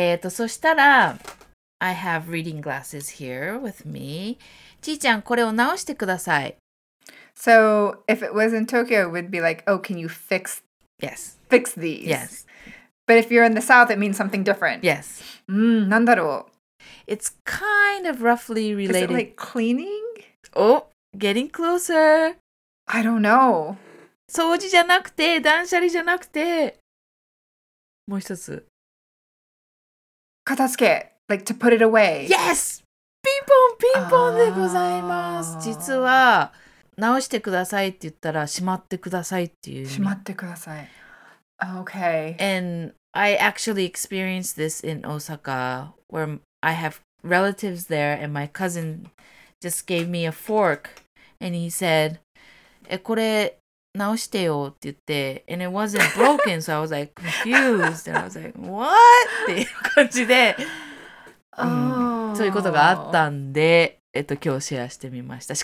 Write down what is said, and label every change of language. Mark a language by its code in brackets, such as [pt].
[en] そしたら I have reading glasses here with me. [ja] ちーちゃん、これを直してください。 [en] So if it was in Tokyo, it would be like, oh, can you fix this Yes. Fix these. Yes. But if you're in the south, it means something different. Yes. [ja] Mm, なんだろう? [en] It's kind of roughly related. Is it like cleaning? Oh, getting closer. I don't know. [ja] 掃除じゃなくて、断捨離じゃなくて。もう一つ。 [en] Katasuke, like to put it away. Yes! [ja] ピンポンピンポンでございます。実は直してくださいって言ったらしまってくださいっていう。しまってください。Okay. [en] And I actually experienced this in Osaka where I have relatives there and my cousin just gave me a fork and he said, [ja] え、これ直してよって言って [en] and it wasn't broken so I was like confused and I was like, what? [ja] っていう感じで。そういうことがあったんで、今日シェアしてみました。